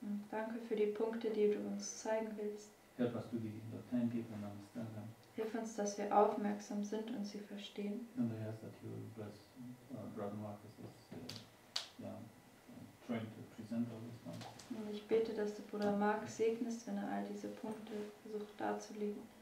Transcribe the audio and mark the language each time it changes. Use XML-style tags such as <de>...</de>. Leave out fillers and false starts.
<de>Danke für die Punkte, die du uns zeigen willst.</de> <en>Help us to be attentive and understand them.</en> <de>Hilf uns, dass wir aufmerksam sind und sie verstehen.</de> <en>And I ask that you bless Brother Marcus is, trying to present all this one.</en> <de>Und ich bete, dass du Bruder Marc segnest, wenn er all diese Punkte versucht darzulegen.</de>